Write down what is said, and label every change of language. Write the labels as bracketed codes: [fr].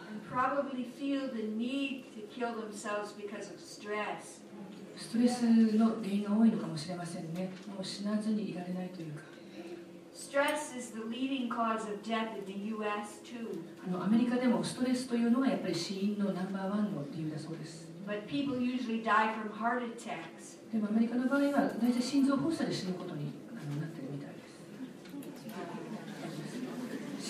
[en] Probably feel the need to kill themselves because of stress. [ja] ストレスの原因が多いのかもしれませんね。もう死なずにいられないというか。 [en] Stress is the leading cause of death in the U.S. too. [ja] アメリカでもストレスというのがやっぱり死因のナンバーワンの理由だそうです。 [en] But people usually die from heart attacks. [ja] でもアメリカの場合は大体心臓発作で死ぬことになっているみたいです。